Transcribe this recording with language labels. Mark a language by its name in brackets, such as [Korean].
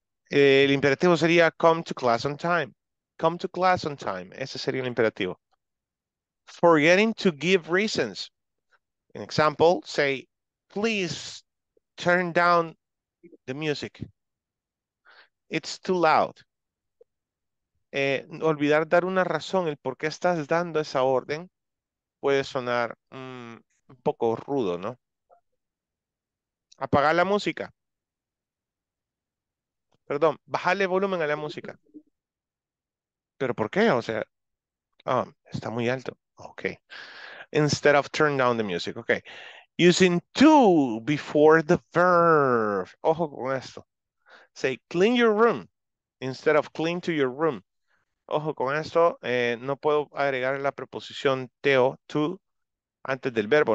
[Spanish] El imperativo sería [English] come to class on time. Come to class on time. [Spanish] Ese sería el imperativo. [English] Forgetting to give reasons. An example, say, please turn down the music. It's too loud. [Spanish] Olvidar dar una razón, el por qué estás dando esa orden, puede sonar un poco rudo, ¿no? Apagar la música. Perdón, bajarle volumen a la música. ¿Pero por qué? O sea, está muy alto. [English] Ok. Instead of turn down the music. Ok. Using to before the verb. [Spanish] Ojo con esto. [English] Say clean your room instead of clean to your room. [Spanish] Ojo con esto. No puedo agregar la preposición teo, to, antes del verbo.